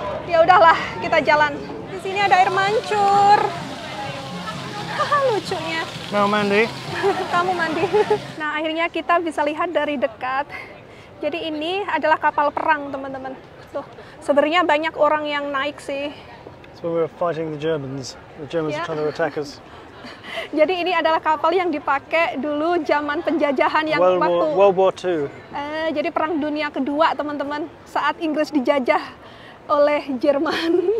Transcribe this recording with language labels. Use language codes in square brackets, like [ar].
[id] Ya udahlah, kita jalan. Di sini ada air mancur. Lucunya. Mau mandi? Kamu mandi. Nah, akhirnya kita bisa lihat dari dekat. Jadi ini adalah kapal perang, teman-teman. Tuh, sebenarnya banyak orang yang naik sih. [en] So we were fighting the Germans. The Germans were trying to attack us. [id] Jadi ini adalah kapal yang dipakai dulu zaman penjajahan yang [en] World War II. [id] Jadi Perang Dunia Kedua, teman-teman. Saat Inggris dijajah oleh Jerman.